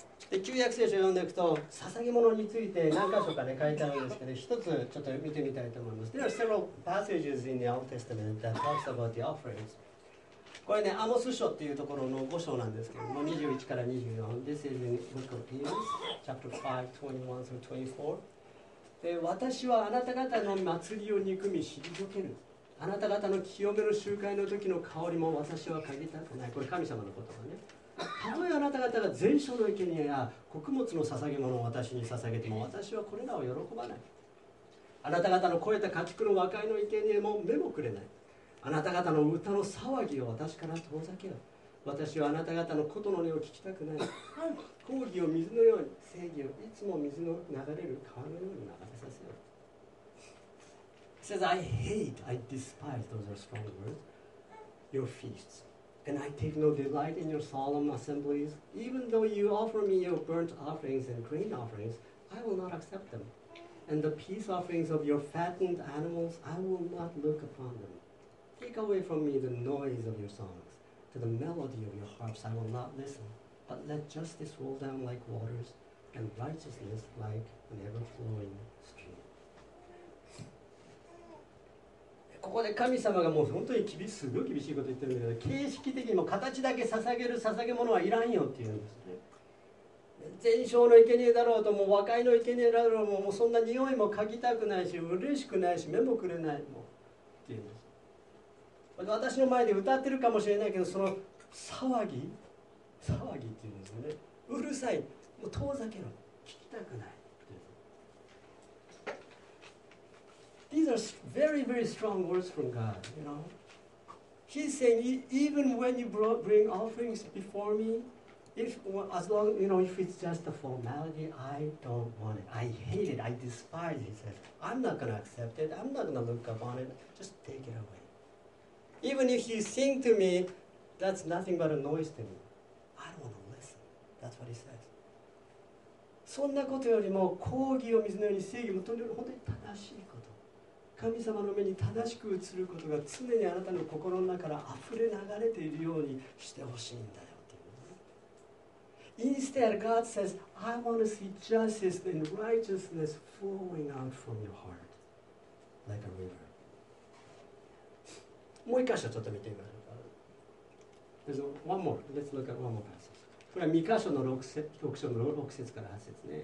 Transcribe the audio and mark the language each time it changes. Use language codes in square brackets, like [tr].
[ja] で、旧約聖書を読んでいくと捧げ物について何箇所かで書いてあるんですけど、一つちょっと見てみたいと思います。 [en] There are several passages in the Old Testament that talks about the offerings. [ja] これね、アモス書っていうところの5章なんですけども、21から24。 [en] This is in the book of Amos, chapter 5, 21 through 24. [ja] で、私はあなた方の祭りを憎み退ける、あなた方の清めの集会の時の香りも私は嗅ぎたくない。これ神様の言葉ね。たとえあなた方が全焼の生贄や穀物の捧げ物を私に捧げても、私はこれらを喜ばない。あなた方の肥えた家畜の和解の生贄も目もくれない。あなた方の歌の騒ぎを私から遠ざけよ。私はあなた方の琴の音を聞きたくない。公義を水のように、正義をいつも水の流れる川のように流れさせよ。 [en] He says, I hate, I despise, those are strong words, your feastsAnd I take no delight in your solemn assemblies. Even though you offer me your burnt offerings and grain offerings, I will not accept them. And the peace offerings of your fattened animals, I will not look upon them. Take away from me the noise of your songs. To the melody of your harps, I will not listen. But let justice roll down like waters, and righteousness like an ever-flowing stream. [ja] ここで神様がもう本当に厳しい、すごい厳しいこと言ってるんだけど、形式的にも形だけ捧げる捧げ物はいらんよって言うんですね。全焼の生贄だろうと、もう和解の生贄だろうと、もうそんな匂いも嗅ぎたくないし、嬉しくないし、目もくれないもって言うんです。私の前で歌ってるかもしれないけど、その騒ぎって言うんですよね。うるさい、もう遠ざけろ、聞きたくない。 [en] These are very, very strong words from God, you know. He's saying, even when you bring offerings before me, if it's just a formality, I don't want it. I hate it. I despise it. He says, I'm not going to accept it. I'm not going to look upon it. Just take it away. Even if you sing to me, that's nothing but a noise to me. I don't want to listen. That's what he says. [ja] そんなことよりも、公義を水のように、正義も本当に正しい。神様の目に正しく映ることが常にあなたの心の中から溢れ流れているようにしてほしいんだよっていう。 [en] Instead, God says, I want to see justice and righteousness flowing out from your heart like a river. [ja] もう一箇所ちょっと見てみましょうか。 [en] There's one more. Let's look at one more passage. [ja] これは二箇所の六節から八節ね。